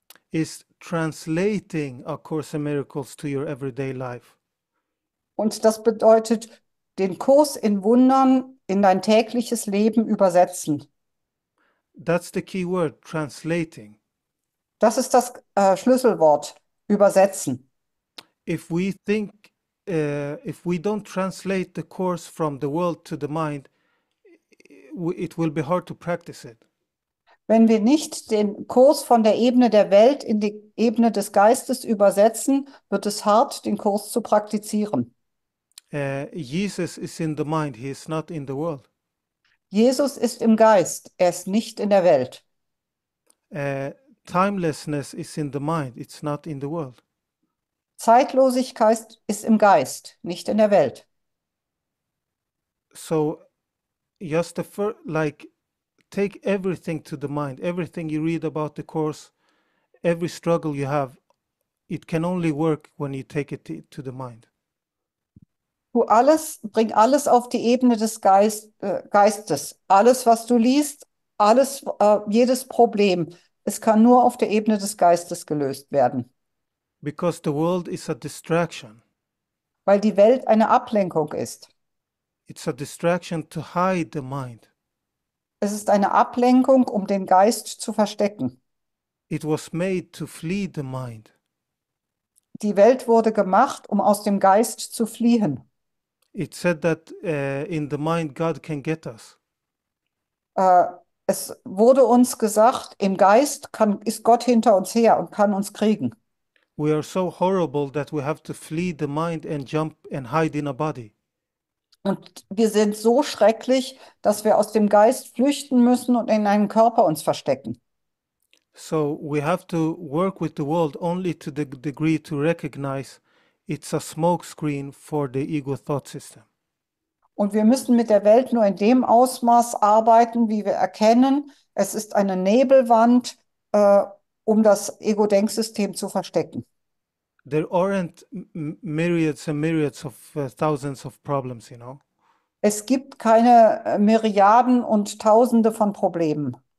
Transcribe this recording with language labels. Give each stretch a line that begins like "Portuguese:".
English: is translating A Course in Miracles to your everyday life.
German: und das bedeutet, den Kurs in Wundern in dein tägliches Leben übersetzen.
English: That's the key word, translating.
German: Das ist das Schlüsselwort, übersetzen.
English: If we don't translate the course from the world to the mind, it will be hard to practice it.
German: Wenn wir nicht den Kurs von der Ebene der Welt in die Ebene des Geistes übersetzen, wird es hart, den Kurs zu praktizieren.
English: Jesus is in the mind, he is not in the world.
German: Jesus ist im Geist, er ist nicht in der Welt.
English: Timelessness is in the mind, it's not in the world.
German: Zeitlosigkeit ist im Geist, nicht in der Welt.
English: So, just the first, like, take everything to the mind, everything you read about the course, every struggle you have, it can only work when you take it to the mind.
German: Du alles, bring alles auf die Ebene des Geistes. Alles, was du liest, alles, jedes Problem. Es kann nur auf der Ebene des Geistes gelöst werden.
English: Because the world is a distraction.
German: Weil die Welt eine Ablenkung ist.
English: It's a distraction to hide the mind.
German: Es ist eine Ablenkung, um den Geist zu verstecken.
English: It was made to flee the mind.
German: Die Welt wurde gemacht, um aus dem Geist zu fliehen.
English: It said that in the mind God can get us.
German: Es wurde uns gesagt, im Geist ist Gott hinter uns her und kann uns kriegen.
English: We are so horrible that we have to flee the mind and jump and hide in a body.
German: Und wir sind so schrecklich, dass wir aus dem Geist flüchten müssen und in einen Körper uns verstecken.
English: So we have to work with the world only to the degree to recognize it's a smokescreen for the ego thought system.
German: Und wir müssen mit der Welt nur in dem Ausmaß arbeiten, wie wir erkennen, es ist eine Nebelwand, um das Ego-Denksystem zu verstecken.
English: There aren't myriads and myriads of thousands of problems, you know.
German: Es gibt keine Myriaden und Tausende von Problemen.